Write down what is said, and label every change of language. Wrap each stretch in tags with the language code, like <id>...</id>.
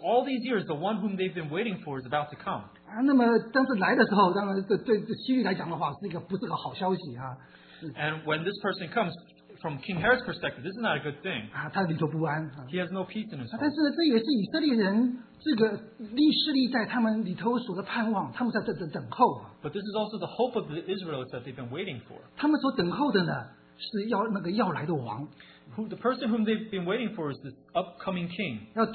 <en>all these years, the one whom they've been waiting for is about to come.</en> <zh>那么当时来的时候，当然对希律来讲的话，是一个不是个好消息啊。</zh> <en>And when this person comes, from King Herod's perspective, this is not a good thing.</en> <zh>他里头不安,</zh> <en>he has no peace in his heart.</en> <zh>但是这也是以色列人这个历史历代他们里头所的盼望，他们在等候。</zh> <en>But this is also the hope of the Israelites that they've been waiting for.</en> <zh>他们所等候的呢，是要那个要来的王。</zh> <en>The person whom they've been waiting for is this upcoming king.</en>